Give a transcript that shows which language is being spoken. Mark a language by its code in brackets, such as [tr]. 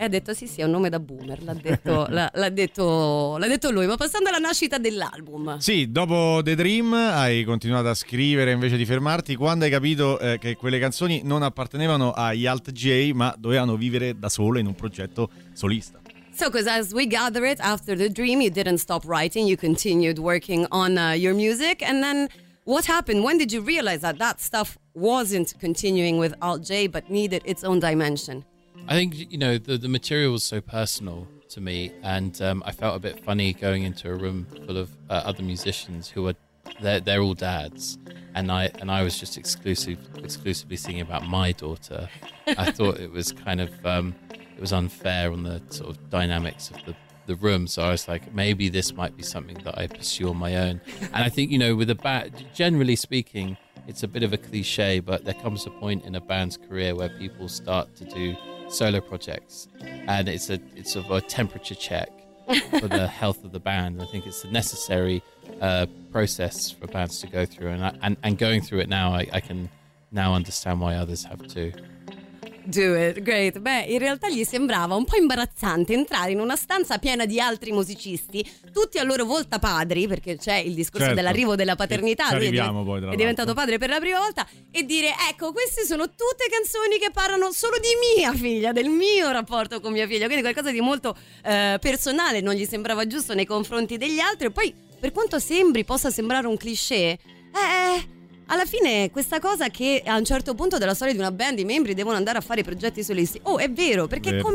[it] E ha detto, sì, è un nome da boomer, l'ha detto lui. Ma passando alla nascita dell'album. Sì, dopo The Dream hai continuato a scrivere invece di fermarti. Quando hai capito che quelle canzoni non appartenevano agli Alt J, ma dovevano vivere da solo in un progetto solista? [en] So, because as we gather it, after The Dream, you didn't stop writing, you continued working on your music, and then what happened? When did you realize that that stuff wasn't continuing with Alt J but needed its own dimension? I think, you know, the material was so personal to me, and I felt a bit funny going into a room full of other musicians who were, they're all dads, and I was just exclusively singing about my daughter. I thought it was kind of, it was unfair on the sort of dynamics of the room, so I was like, maybe this might be something that I pursue on my own. And I think, you know, with a band, generally speaking, it's a bit of a cliche, but there comes a point in a band's career where people start to do solo projects, and it's a temperature check for the health of the band. I think it's a necessary process for bands to go through, and going through it now, I can now understand why others have to. Do it, great. [it] Beh, in realtà gli sembrava un po' imbarazzante entrare in una stanza piena di altri musicisti, tutti a loro volta padri, perché c'è il discorso, certo, dell'arrivo della paternità, lui è diventato padre per la prima volta, e dire: ecco, queste sono tutte canzoni che parlano solo di mia figlia, del mio rapporto con mia figlia, quindi qualcosa di molto personale, non gli sembrava giusto nei confronti degli altri. E poi, per quanto sembri, possa sembrare un cliché, alla fine questa cosa che a un certo punto della storia di una band i membri devono andare a fare i progetti solisti, è vero, perché vero.